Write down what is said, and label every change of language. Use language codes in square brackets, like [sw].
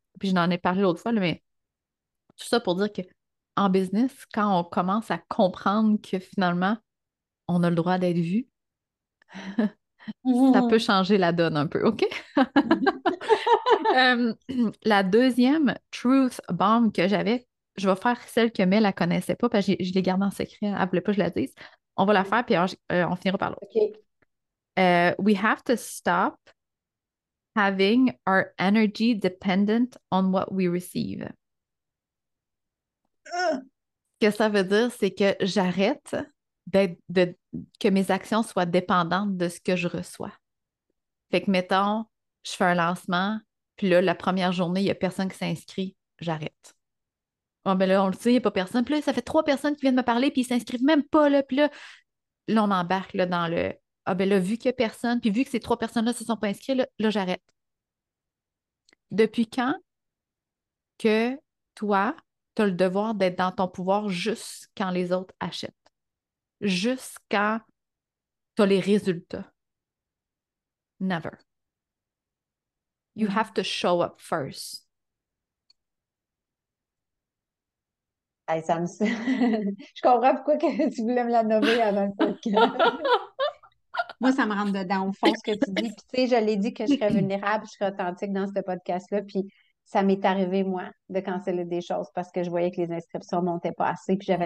[fr] Puis, j'en ai parlé l'autre fois, là, mais tout ça pour dire que. En business, quand on commence à comprendre que finalement, on a le droit d'être vu, ça peut changer la donne un peu, OK? La deuxième truth bomb que j'avais, je vais faire celle que Mel ne connaissait pas, parce que je l'ai gardée en secret, elle ne voulait pas que je la dise. On va la faire, puis on finira par l'autre. [en] We have to stop having our energy dependent on what we receive. [fr] Que ça veut dire, c'est que j'arrête que mes actions soient dépendantes de ce que je reçois. Fait que, mettons, je fais un lancement, puis là, la première journée, il n'y a personne qui s'inscrit, j'arrête. Bon, ben là, on le sait, il n'y a pas personne. Puis là, ça fait 3 personnes qui viennent me parler, puis ils ne s'inscrivent même pas, là. Puis là, on embarque là, dans le. Ah, ben là, vu qu'il n'y a personne, puis vu que ces 3 personnes-là ne se sont pas inscrites, là, j'arrête. Depuis quand que toi, tu as le devoir d'être dans ton pouvoir juste quand les autres achètent, juste quand tu as les résultats. [en] Never. You have to show up first. [fr] Hey, ça me... Je comprends pourquoi tu voulais me la nommer avant le podcast. Moi, ça me rentre dedans, au fond, ce que tu dis. Puis, tu sais, je l'ai dit que je serais vulnérable, je serais authentique dans ce podcast-là. Puis, ça m'est arrivé, moi, de canceller des choses parce que je voyais que les inscriptions montaient pas assez, puis j'avais